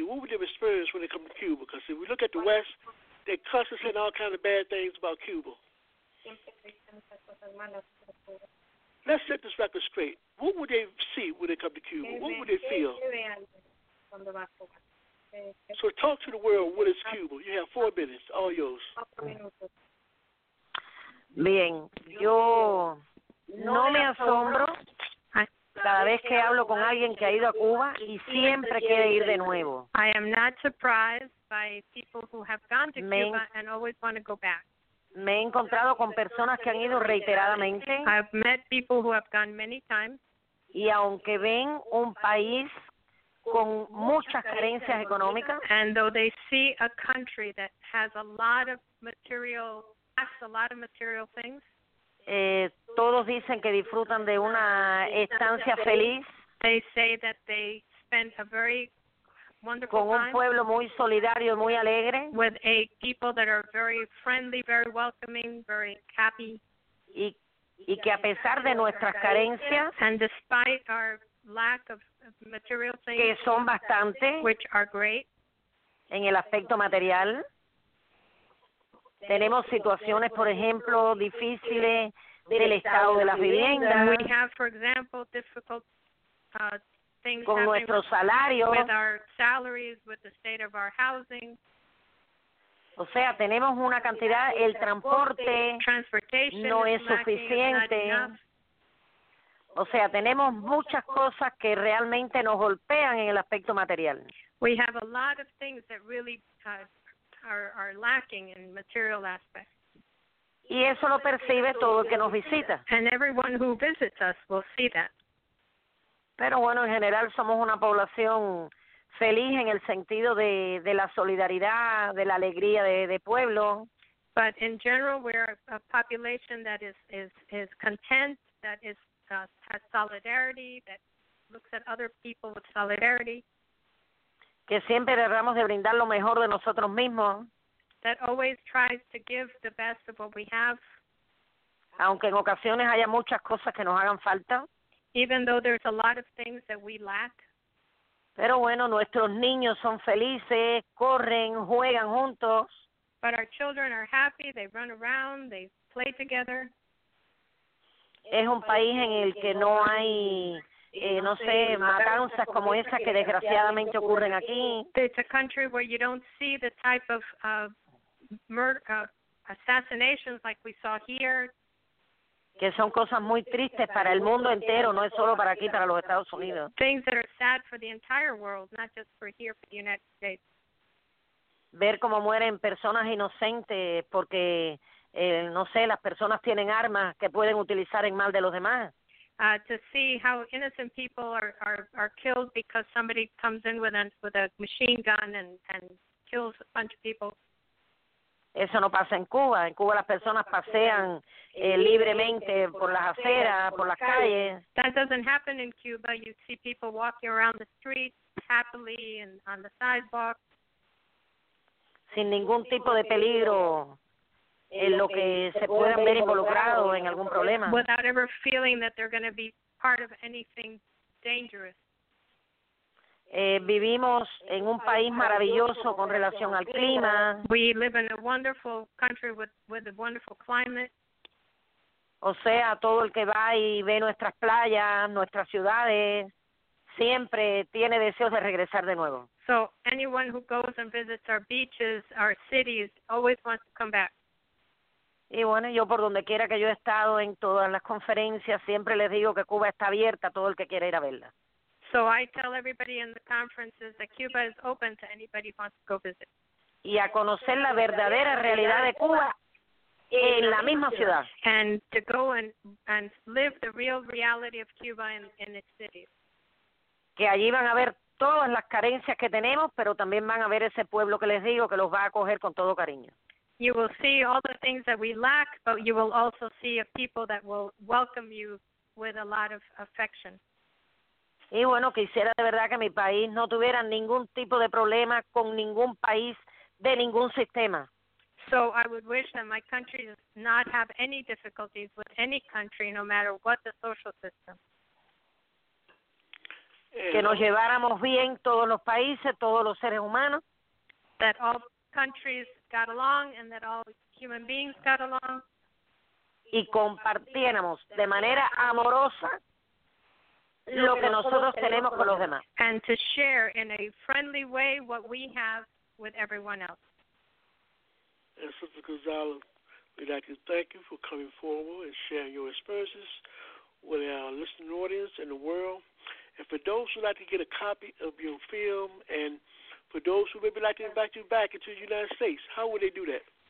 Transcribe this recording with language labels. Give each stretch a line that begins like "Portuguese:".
English: What would they experience when they come to Cuba? Because if we look at the West, they cuss and say all kinds of bad things about Cuba. Let's set this record straight. What would they see when they come to Cuba? What would they feel? So talk to the world, what is Cuba? You have 4 minutes, all yours.
Spanish: Bien, yo no me asombro cada vez que hablo con alguien que ha ido a Cuba y siempre quiere ir de nuevo.
English: I am not surprised by people who have gone to Cuba and always want to go back.
Spanish: Me he encontrado con personas que han ido reiteradamente.
English: I've met people who have gone many times.
Spanish: Y aunque ven un país con muchas carencias económicas,
English: and though they see a country that has a lot of material, has a lot of material things,
Spanish: todos dicen que disfrutan de una estancia feliz.
English: They say that they spend a very wonderful
Spanish: con un pueblo muy solidario y muy alegre,
English: with a people that are very friendly, very welcoming, very happy,
Spanish: y que a pesar de nuestras carencias,
English: and despite our lack of material things,
Spanish: que son bastante,
English: which are great,
Spanish: en el aspecto material. Tenemos situaciones, por ejemplo, difíciles del estado de las viviendas.
English: We have, for example, difficult things
Spanish: con nuestro salario,
English: with our salaries, with the state of our housing.
Spanish: O sea, tenemos una cantidad, el transporte no es suficiente. O sea, tenemos muchas cosas que realmente nos golpean en el aspecto material.
English: We have a lot of things that really are lacking in material aspects.
Spanish: Y eso lo percibe todo el que nos visita.
English: And everyone who visits us will see that.
Spanish: Pero bueno, en general somos una población feliz en el sentido de la solidaridad, de la alegría de pueblo.
English: But in general, we're a population that is content, that is has solidarity, that looks at other people with solidarity,
Spanish: que siempre tratamos de brindar lo mejor de nosotros mismos,
English: that always tries to give the best of what we have,
Spanish: aunque en ocasiones haya muchas cosas que nos hagan falta,
English: even though there's a lot of things that we lack.
Spanish: Pero bueno, nuestros niños son felices, corren, juegan juntos.
English: But our children are happy, they run around, they play together.
Spanish: Es un país en el que no hay, no sé, matanzas como esas que desgraciadamente ocurren aquí.
English: It's a country where you don't see the type of assassinations like we saw here.
Spanish: Que son cosas muy tristes para el mundo entero, no es solo para aquí, para los Estados Unidos.
English: Things that are sad for the entire world, not just for here, for the United States.
Spanish: Ver cómo mueren personas inocentes porque, no sé, las personas tienen armas que pueden utilizar en mal de los demás.
English: To see how innocent people are killed because somebody comes in with a machine gun and kills a bunch of people.
Spanish: Eso no pasa en Cuba. En Cuba las personas pasean libremente por las aceras, por las calles.
English: That doesn't happen in Cuba. You see people walking around the streets happily and on the sidewalk.
Spanish: Sin ningún tipo de peligro en lo que se puedan ver involucrados en algún problema.
English: Without ever feeling that they're going to be part of anything dangerous.
Spanish: Vivimos en un país maravilloso con relación al clima.
English: We live in a wonderful country with a wonderful climate.
Spanish: O sea, todo el que va y ve nuestras playas, nuestras ciudades, siempre tiene deseos de regresar de nuevo.
English: So anyone who goes and visits our beaches, our cities, always wants to come back.
Spanish: Y bueno, yo por donde quiera que yo he estado en todas las conferencias, siempre les digo que Cuba está abierta a todo el que quiera ir a verla.
English: So I tell everybody in the conferences that Cuba is open to anybody who wants to go visit.
Spanish: Y a conocer la verdadera realidad de Cuba en la misma ciudad.
English: And to go and live the real reality of Cuba in its cities.
Spanish: Que allí van a ver todas las carencias que tenemos, pero también van a ver ese pueblo que les digo que los va a acoger con todo cariño.
English: You will see all the things that we lack, but you will also see a people that will welcome you with a lot of affection.
Spanish: Y bueno, quisiera de verdad que mi país no tuviera ningún tipo de problema con ningún país de ningún sistema.
English: So I would wish that my country does not have any difficulties with any country, no matter what the social system.
Spanish: Que nos lleváramos bien todos los países, todos los seres humanos.
English: That all countries got along and that all human beings got along.
Spanish: Y compartiéramos de manera amorosa lo que nosotros tenemos con los demás.
English: And to share in a friendly way what we have with everyone else. And Sister Gonzalez, we'd like to thank you for coming forward and sharing your experiences with our listening audience and the world. And for those who would like to get a copy of your film, and for those who maybe like to invite you back into the United States, how would they do that?